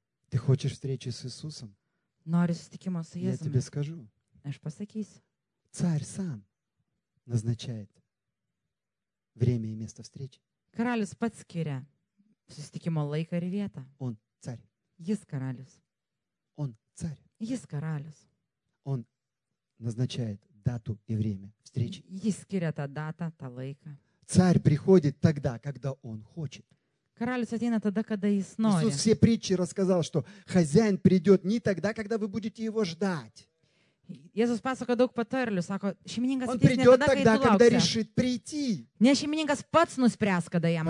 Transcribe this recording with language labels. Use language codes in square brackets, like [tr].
[ru] Ты хочешь встречи с Иисусом? [lt] Нори сутикимо с Иисусом. [ru] Я тебе скажу. [lt] Aš pasakysiu. [ru] Царь сам назначает время и место встречи. [lt] Karalius pats skiria susitikimo laiką ir vietą. [ru] Он царь. [lt] Jis karalius. [ru] Он царь. [lt] Jis karalius. [ru] Он назначает дату и время встречи. [lt] Jis skiria tą datą, tą laiką. [ru] Царь приходит тогда, когда он хочет. [lt] Karalius ateina tada, kada jis nori. [ru] Иисус все притчи рассказал, что хозяин придет не тогда, когда вы будете его ждать. [lt] Jėzus pasako daug patarlių, sako, šeimininkas ateis ne tada, kai tu lauksi. Ne šeimininkas pats nuspręs, kada jam